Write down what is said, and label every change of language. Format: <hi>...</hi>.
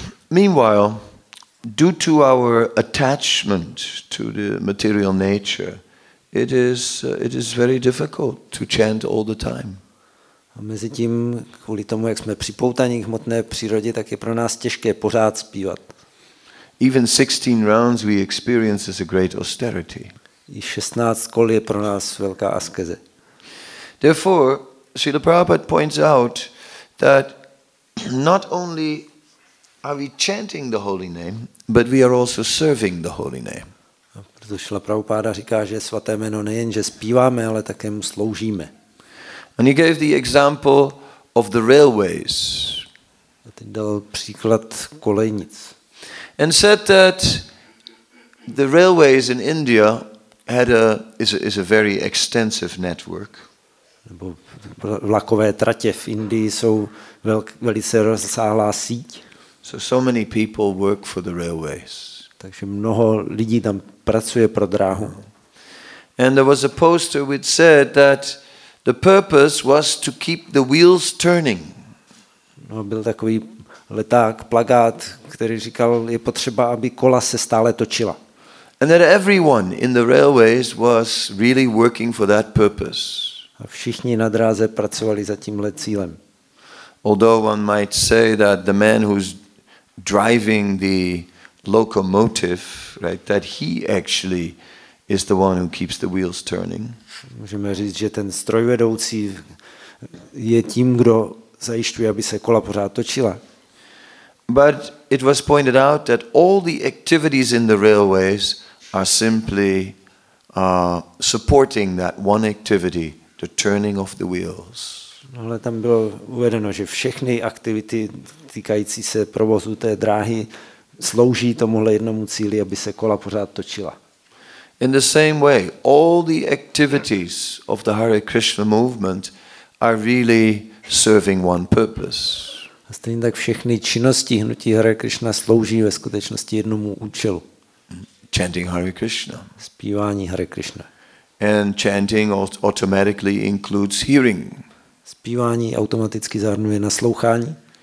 <en>Meanwhile, due to our attachment to the material nature, it is very difficult to chant all the time.</en> <cs>A mezi tím, kvůli tomu, jak jsme připoutaní k hmotné přírodě, tak je pro nás těžké pořád zpívat.</cs> <en>Even 16 rounds we experience is a great austerity.</en> <cs>I 16 kol je pro nás velká askeze.</cs> <en>Therefore, Srila Prabhupada points out that not only are we chanting the holy name, but we are also serving the holy name.</en> <cs>Protože Srila Prabhupada říká, že svaté jméno nejen že zpíváme, ale také mu sloužíme.</cs> <en>And he gave the example of the railways.</en> <cs>A ten dal příklad kolejnic.</cs> <en>And said that the railways in India had is a very extensive network.</en> <cs>Nebo vlakové tratě v Indii jsou velice rozsáhlá síť.</cs> <en>So many people work for the railways.</en> <cs>Takže mnoho lidí tam pracuje pro dráhu.</cs> <en>And there was a poster which said that the purpose was to keep the wheels turning.</en> <cs>No, byl takový leták, plakát, který říkal, je potřeba, aby kola se stále točila.</cs> <en>And that everyone in the railways was really working for that purpose.</en> <cs>A všichni na dráze pracovali za tímhle cílem.</cs> <en>Although one might say that the man who's driving the locomotive, right, that he actually is the one who keeps the wheels turning.</en> <cs>Můžeme říct, že ten strojvedoucí je tím, kdo zajišťuje, aby se kola pořád točila.</cs> <en>But it was pointed out that all the activities in the railways are simply supporting that one activity, the turning of the wheels.</en> <cs>No, ale tam bylo uvedeno, že všechny aktivity týkající se provozu té dráhy slouží tomuhle jednomu cíli, aby se kola pořád točila.</cs> <en>In the same way, all the activities of the Hare Krishna movement are really serving one purpose.</en> <cs>A stejně tak všechny činnosti hnutí Hare Krishna slouží ve skutečnosti jednomu účelu.</cs> <en>Chanting Hare Krishna.</en> <cs>Zpívání Hare Krishna.</cs> <en>And chanting automatically includes hearing.</en> <cs>Zpívání automaticky zahrnuje naslouchání.</cs>